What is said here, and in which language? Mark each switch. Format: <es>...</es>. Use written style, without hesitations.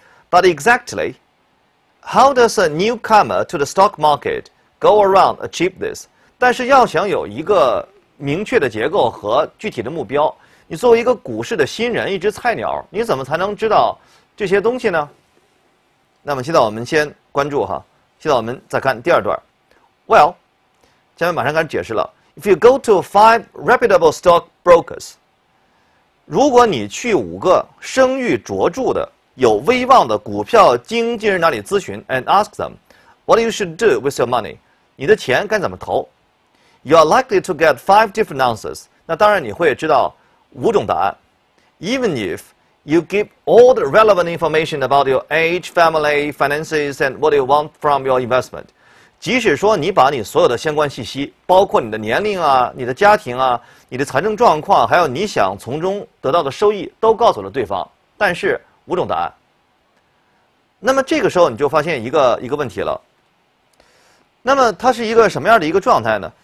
<en>But exactly， how does a newcomer to the stock market go around achieve this？</en> <zh>但是要想有一个明确的结构和具体的目标，你作为一个股市的新人，一只菜鸟，你怎么才能知道这些东西呢？那么现在我们先关注哈，现在我们再看第二段。</zh> <en>Well。</en> <zh>下面马上开始解释了。</zh> <en>If you go to five reputable stock brokers，</en> <zh>如果你去五个声誉卓著的、有威望的股票经纪人那里咨询</zh> <en>，and ask them what you should do with your money，</en> <zh>你的钱该怎么投</zh> <en>？You are likely to get five different answers。</en> <zh>那当然你会知道五种答案。</zh> <en>Even if you give all the relevant information about your age, family, finances, and what you want from your investment。</en> <zh>即使说你把你所有的相关信息，包括你的年龄啊、你的家庭啊、你的财政状况，还有你想从中得到的收益，都告诉了对方，但是五种答案。那么这个时候你就发现一个问题了。那么它是一个什么样的一个状态呢？</zh>